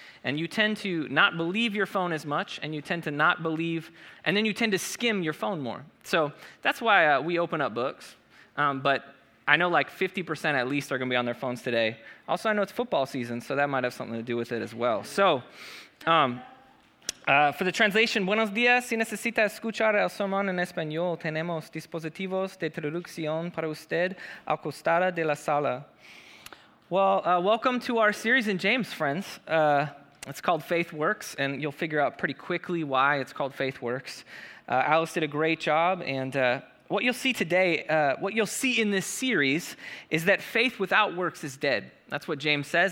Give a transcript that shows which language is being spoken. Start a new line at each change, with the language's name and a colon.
English: And you tend to not believe your phone as much, and you tend to not believe, and then you tend to skim your phone more. So that's why we open up books. But I know like 50% at least are going to be on their phones today. Also, I know it's football season, so that might have something to do with it as well. So for the translation,
Spanish: buenos días. Si necesita escuchar el sermón en español, tenemos dispositivos de traducción para usted al costado de la sala.
English: Well, welcome to our series in James, friends. It's called Faith Works, and you'll figure out pretty quickly why it's called Faith Works. Alice did a great job, and what you'll see today, what you'll see in this series, is that faith without works is dead. That's what James says.